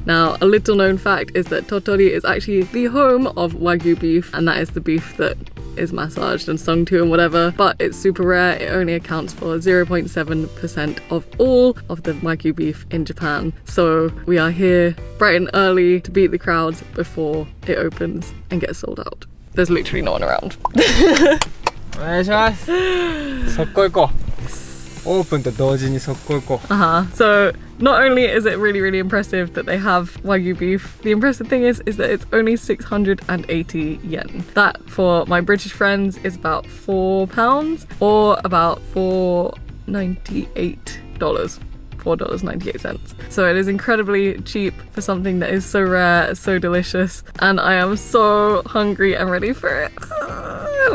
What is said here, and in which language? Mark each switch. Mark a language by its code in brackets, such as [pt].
[en] Now, a little known fact is that Tottori is actually the home of Wagyu beef, and that is the beef that is massaged and sung to and whatever, but it's super rare. It only accounts for 0.7% of all of the Wagyu beef in Japan. So we are here bright and early to beat the crowds before it opens and gets sold out. There's literally no one around. [ja] お願いします。速攻行こう。オープンと同時に速攻行こう。 [en] So, not only is it really, really impressive that they have Wagyu beef, the impressive thing is that it's only 680 yen. That, for my British friends, is about £4, or about $4.98. $4.98. So it is incredibly cheap for something that is so rare, so delicious, and I am so hungry and ready for it.